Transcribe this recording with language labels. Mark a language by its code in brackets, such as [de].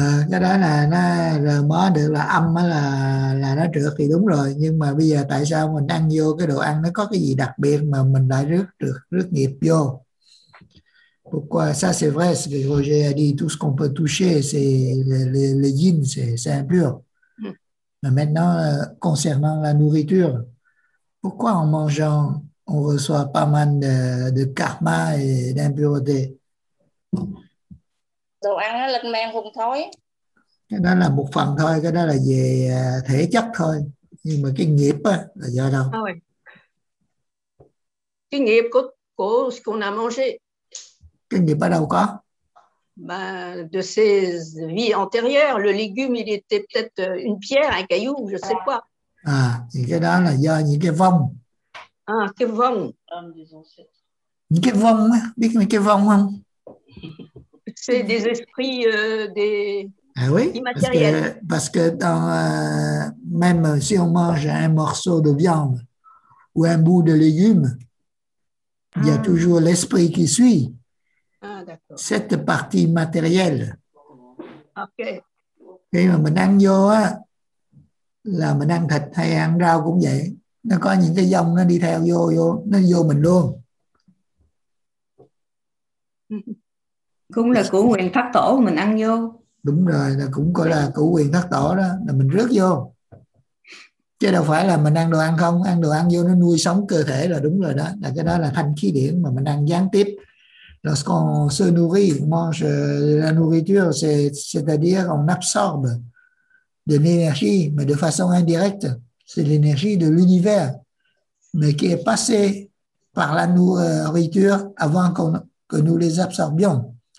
[vi] Cái đó là nó rờ mó được là âm là nó trượt thì đúng rồi. Nhưng mà bây giờ tại sao mình ăn vô cái đồ ăn nó có cái gì đặc biệt mà mình lại rước được rước nghiệp vô? [fr] Pourquoi ça c'est vrai, ce que Roger a dit, tout ce qu'on peut toucher, c'est le yin, c'est impur. Mais maintenant, concernant la nourriture, pourquoi en mangeant, on reçoit pas mal de karma et d'impureté? [vi] Cái đó là một phần thôi, cái đó là về thể chất thôi. Nhưng mà cái nghiệp là do đâu? Cái nghiệp của [fr] ce qu'on a mangé. [vi] Cái nghiệp ở đâu có? [fr] Bah, de ses vies antérieures, le légume il était peut-être une pierre, un caillou, je sais pas. [vi] À, thì cái đó là do những cái vong. À, cái vong. Những cái vong á, biết những cái vong không? [fr] C'est des esprits des ah oui, parce que dans, même si on mange un morceau de viande ou un bout de légume, il y a toujours l'esprit qui suit. Cette partie matérielle. Ok. [vi] Khi mà mình ăn vô á, là mình ăn thịt hay ăn rau cũng vậy. Nó có những cái dòng nó đi theo vô, nó vô mình luôn. Cũng là củ quyền thất tổ mình ăn vô. Đúng rồi, là cũng gọi là củ quyền thất tổ đó, là mình rước vô. Chứ đâu phải là mình ăn đồ ăn không, ăn đồ ăn vô nó nuôi sống cơ thể là đúng rồi đó. Là cái đó là thanh khí điển mà mình ăn gián tiếp. [fr] Lorsqu'on se nourrit, on mange de la nourriture, c'est-à-dire on absorbe de l'énergie, mais de façon indirecte. C'est l'énergie de l'univers, mais qui est passée par la nourriture avant que nous les absorbions.